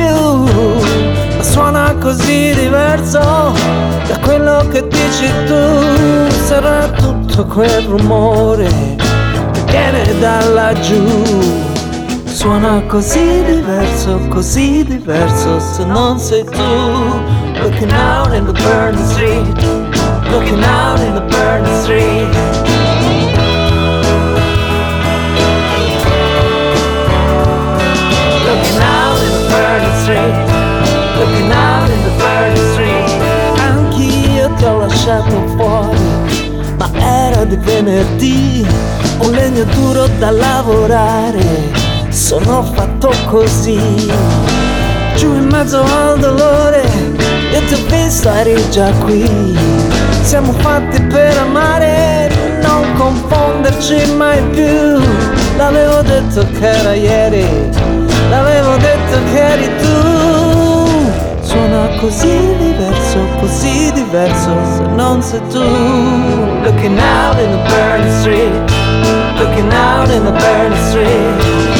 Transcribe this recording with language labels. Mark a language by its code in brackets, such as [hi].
[it] Ma suona così diverso da quello che dici tu. Sarà tutto quel rumore che viene da laggiù. Suona così diverso se non sei tu. [en] Looking out in the burning street, looking out in the burning street. Looking out in the burning street, looking out in the burning street. [it] Anch'io ti ho lasciato fuori, ma era di venerdì. Un legno duro da lavorare, sono fatto così. Giù in mezzo al dolore, io ti ho visto, eri già qui. Siamo fatti per amare, non confonderci mai più. L'avevo detto che era ieri, l'avevo detto che eri tu. Suona così diverso se non sei tu. [en] Looking out in the burning street, looking out in the burning street.